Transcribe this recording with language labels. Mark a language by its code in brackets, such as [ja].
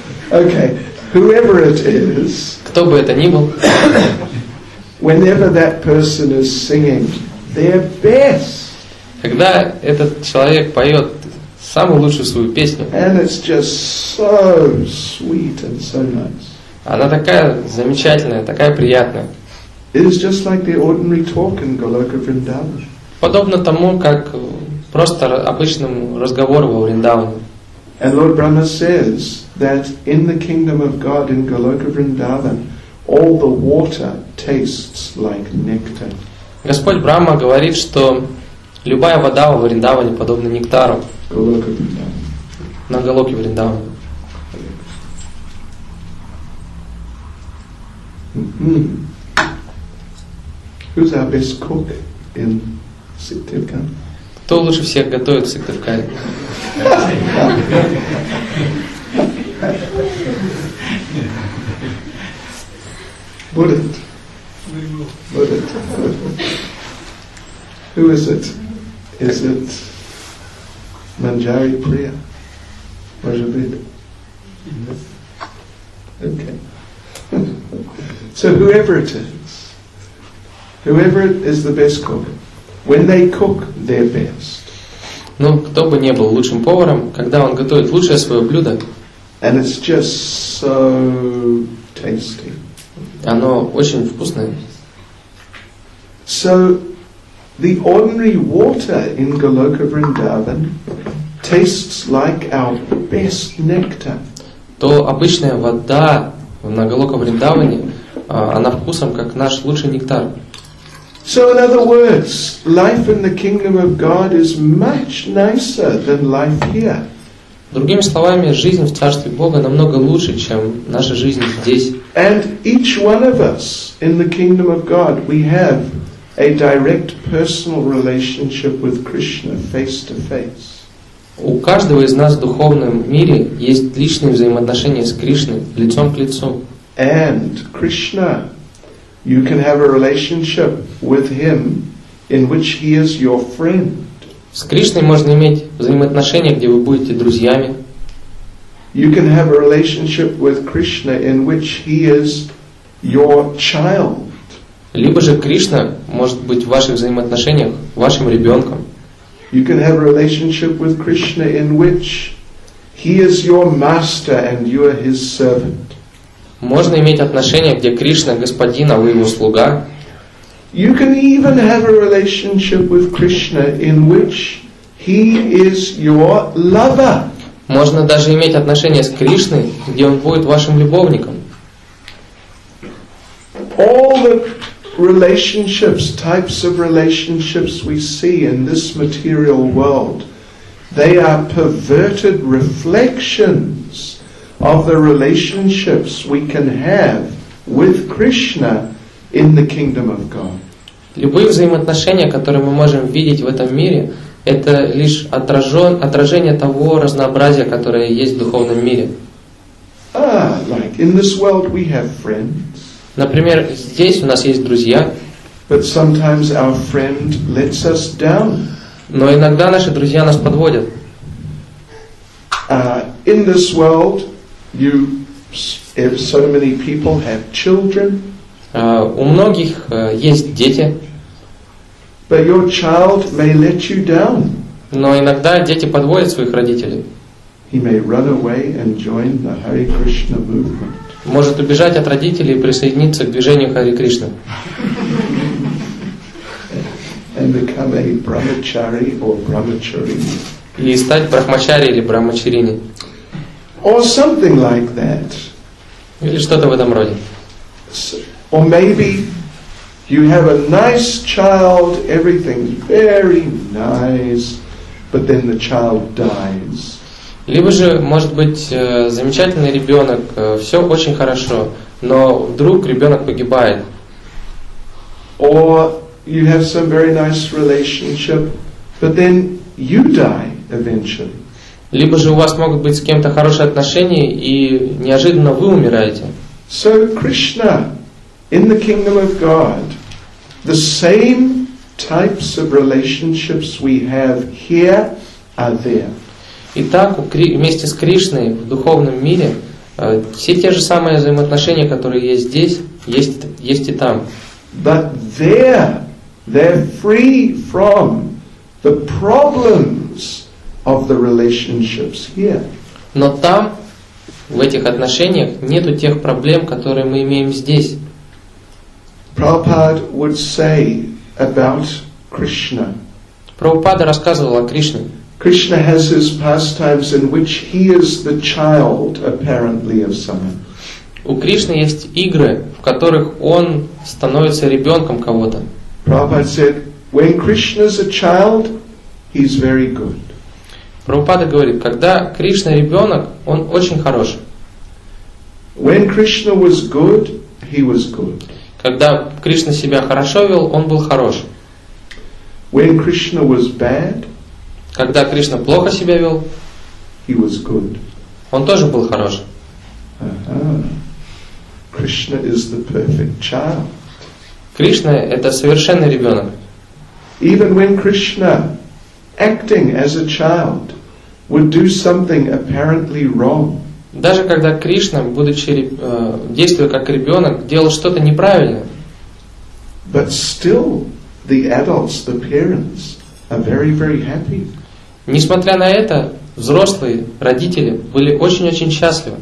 [en] Okay. Whoever it is. [ru] Кто бы это ни был. [en] Whenever that person is singing, their best. [ru] Когда этот человек поет самую лучшую свою песню. [en] And it's just so sweet and so nice. [ru] Она такая замечательная, такая приятная. [en] It is just like the ordinary talk in Goloka Vrindavan. [ru] Подобно тому, как просто обычному разговору во Вриндаване. [en] And Lord Brahma says that in the kingdom of God in Goloka Vrindavan, all the water tastes like nectar. [ru] Господь Брахма говорит, что любая вода во Вриндаване подобна нектару. На Голоке Вриндаване. [en] Who's our best cook in Syktyvkar? [ru] Кто лучше всех готовит в Сыктывкаре? Будет. Будет. [en] Who is it? Is it Manjari Priya? [ru] Может быть? [en] Okay. So whoever it is, whoever is the best cook, when they cook their best. [ru] Ну, кто бы не был лучшим поваром, когда он готовит лучшее свое блюдо. [en] And it's just so tasty. [ru] Оно очень вкусное. [en] So the ordinary water in Goloka Vrindavan tastes like our best nectar. [ru] То обычная вода на Голока Вриндаване, она вкусом как наш лучший нектар. [en] So in other words, life in the kingdom of God is much nicer than life here. [ru] Другими словами, жизнь в царстве Бога намного лучше, чем наша жизнь здесь. [en] And each one of us in the kingdom of God, we have a direct personal relationship with Krishna face to face. [ru] У каждого из нас в духовном мире есть личные взаимоотношения с Кришной лицом к лицу. [en] And Krishna, you can have a relationship with him in which he is your friend. [ru] С Кришной можно иметь взаимоотношения, где вы будете друзьями. [en] You can have a relationship with Krishna in which he is your child. [ru] Либо же Кришна может быть в ваших взаимоотношениях вашим ребенком. [en] You can have a relationship with Krishna in which he is your master and you are his servant. [ru] Можно иметь отношения, где Кришна господин, а вы его слуга. [en] You can even have a relationship with Krishna in which he is your lover. [ru] Можно даже иметь отношения с Кришной, где он будет вашим любовником. [en] All the relationships, types of relationships we see in this material world, they are perverted reflections of the relationships we can have with Krishna in the kingdom of God. [ru] Любые взаимоотношения, которые мы можем видеть в этом мире, это лишь отражение того разнообразия, которое есть в духовном мире. [en] Like in this world we have friends. [ru] Например, здесь у нас есть друзья. [en] But sometimes our friend lets us down. [ru] Но иногда наши друзья нас подводят. [en] In this world, so many people have children. [ru] У многих есть дети. [en] But your child may let you down. [ru] Но иногда дети подводят своих родителей. [en] He may run away and join the Hare Krishna movement. [ru] Может убежать от родителей и присоединиться к движению Харе Кришна. [en] And become a brahmachari or brahmacharini. [ru] И стать брахмачари или брахмачарини. [en] Or something like that. [ru] Или что-то в этом роде. [en] Or maybe you have a nice child, everything very nice, but then the child dies. [ru] Либо же, может быть, замечательный ребенок, все очень хорошо, но вдруг ребенок погибает. [en] Or you have some very nice relationship, but then you die eventually. [ru] Либо же у вас могут быть с кем-то хорошие отношения, и неожиданно вы умираете. [en] So Krishna, in the kingdom of God, the same types of relationships we have here are there. [ru] Итак, вместе с Кришной в духовном мире все те же самые взаимоотношения, которые есть здесь, есть и там. [en] But there, they're free from the problems of the relationships here. [ru] Но там, в этих отношениях, нету тех проблем, которые мы имеем здесь. [en] Prabhupada would say about Krishna. [ru] Прабхупада рассказывал о Кришне. [en] Krishna has his pastimes in which he is the child, apparently, of someone. [ru] У Кришны есть игры, в которых он становится ребенком кого-то. [en] Prabhupada said, when Krishna's a child, he's very good. [ru] Прабхупада говорит, когда Кришна ребенок, он очень хорош. [en] When Krishna was good, he was good. [ru] Когда Кришна себя хорошо вел, он был хорош. [en] When Krishna was bad, [ru] когда Кришна плохо себя вел, [en] he was good. [ru] Он тоже был хорош. [en] Krishna is the perfect child. [ru] Кришна – это совершенный ребенок. [en] Even when Krishna, acting as a child, would do something apparently wrong. [ru] Даже когда Кришна, будучи действуя как ребенок, делал что-то неправильно. [en] But still, the adults, the parents, are very, very happy. [ru] Несмотря на это, взрослые родители были очень-очень счастливы.